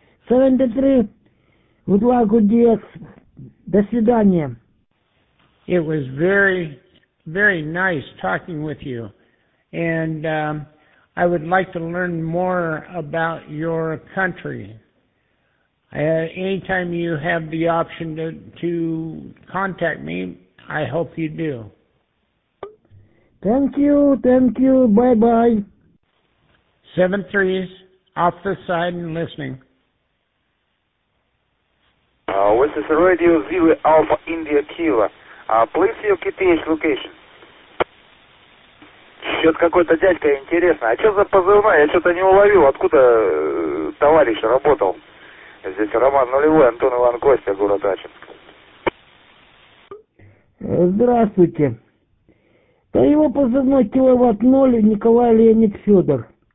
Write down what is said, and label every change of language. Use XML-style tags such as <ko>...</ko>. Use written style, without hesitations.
<en>73 Gulag DX,</en> <ru>До свидания.</ru> <en>It was very, very nice talking with you. And I would like to learn more about your country. Anytime you have the option to contact me, I hope you do. Thank you, bye-bye. 7-3s, off the side and listening. This is Radio Zero Alpha India Kilo. Please your QTH location.</en> <ru>Что-то какой-то дядька интересный. А что за позывной? Я что-то не уловил. Откуда товарищ работал? Здесь Роман Нулевой, Антон Иван Костя, город Ачинск. Здравствуйте. Да его позывной киловатт 0, Николай Леонид Федор.</ru>